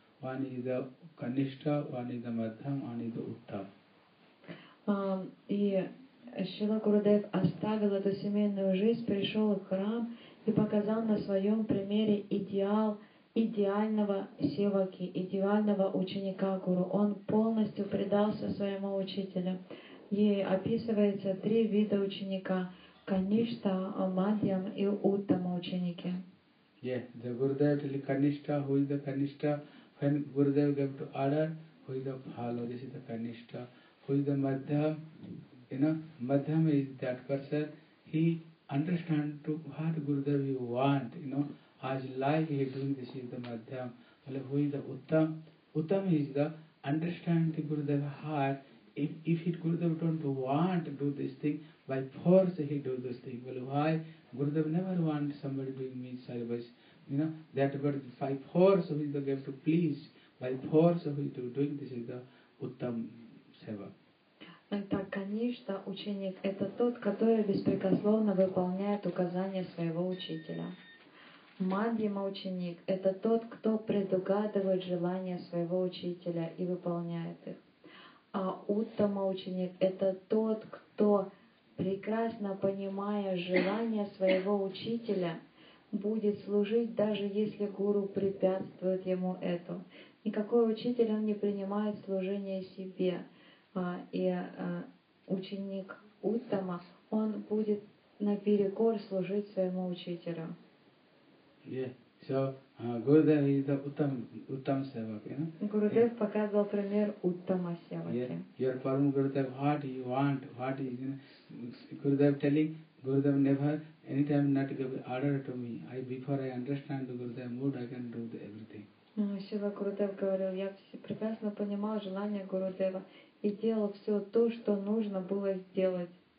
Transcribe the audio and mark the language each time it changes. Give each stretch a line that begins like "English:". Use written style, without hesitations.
English: One is the Kanishtha, one is the Madhyam, one is the Uttam.
Russian: Шрила Гурудев оставил эту семейную жизнь, пришел в храм и показал на своем примере идеал идеального севаки, идеального ученика гуру. Он полностью предался своему учителю. ей описывается три вида ученика: Каништа, Мадьям и Уттама ученики.
English: Yeah, the Gurudev told Kanishta, who is the Kanishta? When Gurudev gave to order, who is the Bhalo? This is the Kanishta. Who is the Madhyam? You know, Madhyam is that person. He understands to what Gurudev he want. You know, as life he is doing, this is the Madhyam. Well, who is the Uttam? Uttam is the understand the Gurudev heart. If Gurudev don't want to do this thing, by force he do this thing. Well, why? Gurudev never want somebody doing me service. You know, that word, by force of the gift to please, by force of the doing this is the Uttam Seva.
Russian: Это, конечно, ученик, это тот, который беспрекословно выполняет указания своего учителя. Мадьяма ученик, это тот, кто предугадывает желания своего учителя и выполняет их. А Уттама ученик, это тот, кто, прекрасно понимая желания своего учителя, будет служить, даже если гуру препятствует ему этому. Никакой учитель, он не принимает служение себе. И ученик Уттама, он будет наперекор служить своему учителю.
English: Yeah. So, Gurudev is the Uttam Sevak, you know?
Russian: Gurudev показывал пример Uttama Sevaki.
English: Yeah. Your Param Gurudev, what you want, what is, you know? Gurudev telling, Gurudev never, anytime not give order to me. Before I understand the Gurudev mood, I can do everything.
Russian: Шива Гурудев говорил, я прекрасно понимал желание Гурудева и делал все то, что нужно было сделать.